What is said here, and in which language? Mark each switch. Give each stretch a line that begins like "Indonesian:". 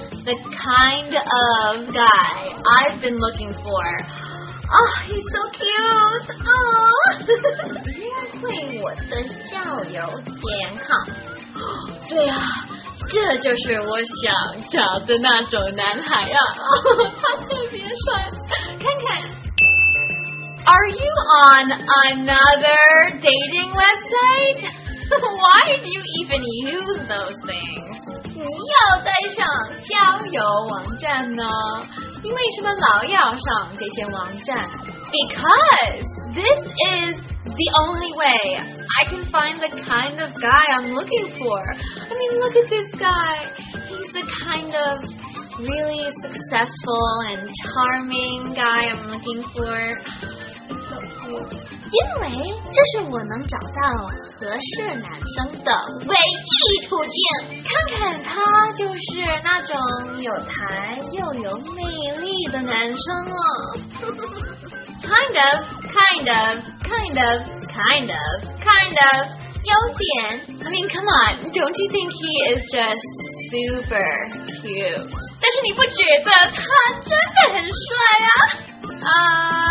English: the kind of guy I've been looking for. Oh, he's so cute! Oh!
Chinese: 约会我的校友点 com. 对啊，这就是我想找的那种男孩啊。他特别帅，看看。
English: Are you on another dating website? Why do you even use those things?
Chinese: 你要带上交友网站呢？你为什么老要上这些网站？
English: Because this is the only way I can find the kind of guy I'm looking for. I mean, look at this guy. He's the kind of really successful and charming guy I'm looking for.
Chinese: So, 因为这是我能找到合适男生的唯一途径。看看他就是那种有才又有魅力的男生哦。
English: Kind of, kind of, kind of, kind of, kind of,
Chinese: 有点。
English: I mean, come on, don't you think he is just super cute?
Chinese: 但是你不觉得他真的很帅啊？